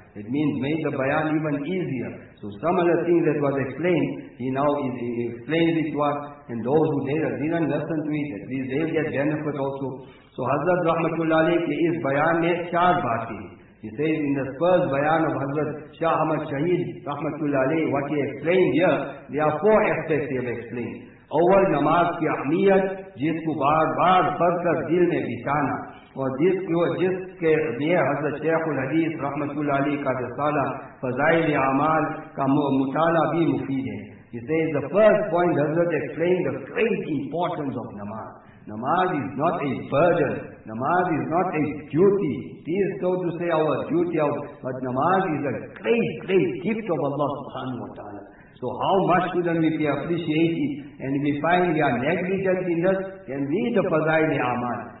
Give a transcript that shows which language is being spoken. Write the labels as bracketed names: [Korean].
[English] It means made the bayan even easier. So some of the things that was explained, he now explains it to us, and those who didn't listen to it, at least they will get benefit also. [Urdu] So Hazrat rahmatullahi ki is bayan mein char baatein. [English] He says in the first bayan of Hazrat Shah Ahmad Shaheed Rahmatullahi, what he explained here, there are four aspects he has explained. [Urdu] Awal namaz ki ahmiyat, jisko baar baar farkar dil mein bichana. اور جس کے لیے حضرت شیخ الحدیث رحمۃ اللہ علیہ کا رسالہ فضائل اعمال کا مطالعہ بھی مفید ہے. [English] He says the first point Hazrat explained the great importance of namaz. Namaz is not a burden. Namaz is not a duty. He is so to say our duty of, but namaz is a great, great gift of Allah subhanahu wa ta'ala. So how much shouldn't we be appreciated? And if we find we are negligent in this, then read the fazail e amal.